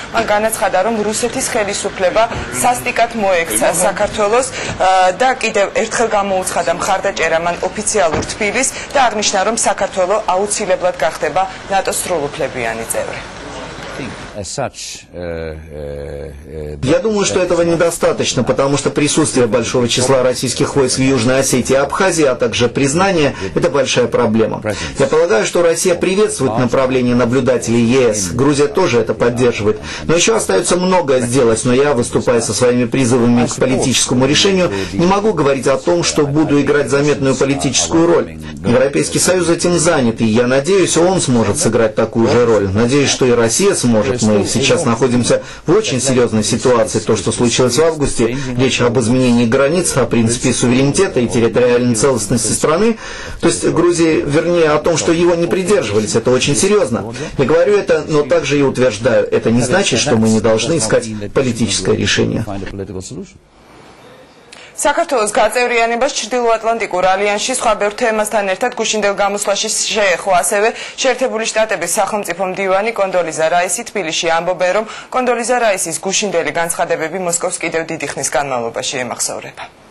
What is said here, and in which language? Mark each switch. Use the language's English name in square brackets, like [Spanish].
[Georgian] Მან განაცხადა, რომ რუსეთის ხელისუფლება სასტიკად მოექცა საქართველოს და კიდევ ერთხელ გამოუცხადა მხარდაჭერა მან ოფიციალურ თბილისს და აღნიშნა, რომ საქართველო აუცილებლად გახდება ნატოს სრულუფლებიანი წევრი. [Russian] Я думаю, что этого недостаточно, потому что присутствие большого числа российских войск в Южной Осетии и Абхазии, а также признание – это большая проблема. Я полагаю, что Россия приветствует направление наблюдателей ЕС, Грузия тоже это поддерживает. Но еще остается многое сделать, но я, выступая со своими призывами к политическому решению, не могу говорить о том, что буду играть заметную политическую роль. Европейский Союз этим занят, и я надеюсь, он сможет сыграть такую же роль. Надеюсь, что и Россия сможет. Мы сейчас находимся в очень серьезной ситуации. То, что случилось в августе, речь об изменении границ, о принципе суверенитета и территориальной целостности страны, то есть Грузии, вернее, о том, что его не придерживались, это очень серьезно. Я говорю это, но также и утверждаю, это не значит, что мы не должны искать политическое решение. [Georgian] Საქართველოს გაწევრიანებას ჩრდილოატლანტიკურ ალიანსში სხვა ბევრ თემასთან ერთად გუშინდელ გამოსვლაში შეეხო ასევე შეერთებული შტატების სახელმწიფო მდივანი კონდოლიზა რაისი. თბილისში ამბობენ, რომ კონდოლიზა რაისის გუშინდელი განცხადებები მოსკოვს კიდევ დიდი ხნის განმავლობაში ემახსოვრება.